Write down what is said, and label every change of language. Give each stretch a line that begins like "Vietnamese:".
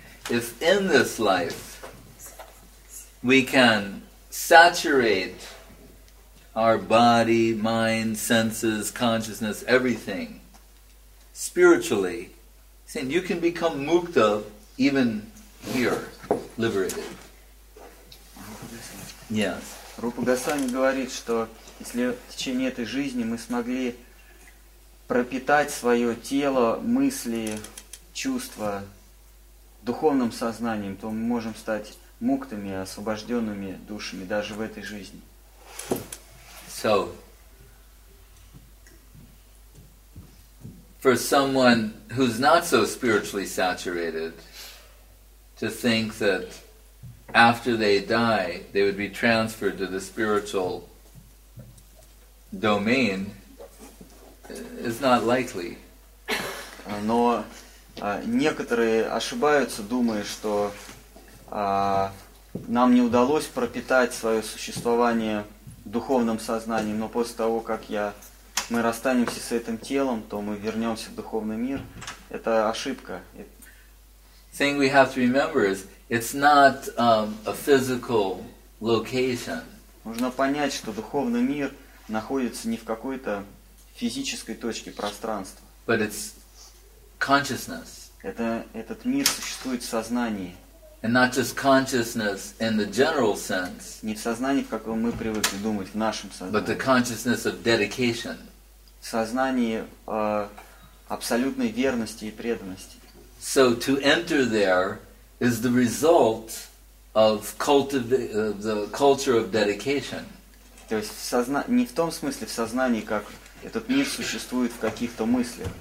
English: If in this life we can saturate our body, mind, senses, consciousness, everything spiritually, then you can become mukta even here, liberated. Yes.
Russian: Rupa Goswami говорит, что если в течение этой жизни мы смогли пропитать свое тело, мысли, чувства духовным сознанием, то мы можем стать муктами, освобожденными душами даже в этой жизни.
English: So, for someone who's not so spiritually saturated, to think that after they die, they would be transferred to the spiritual domain, it's not likely.
Russian: Но некоторые ошибаются, думая, что нам не удалось пропитать свое существование духовным сознанием, но после того, как мы расстанемся с этим телом, то мы вернемся в духовный мир. Это ошибка.
English: Thing we have to remember is it's not a physical location.
Russian: Нужно понять, что духовный мир находится не в какой-то физической точки пространства.
English: But it's consciousness.
Russian: Этот мир существует в сознании.
English: And not just consciousness in the general sense.
Russian: Не в сознании, в каком мы привыкли думать, в нашем сознании.
English: But the consciousness of dedication.
Russian: В сознании абсолютной верности и преданности.
English: So to enter there is the result of the culture of dedication.
Russian: То есть не в том смысле в сознании, как этот мир существует в каких-то мыслях.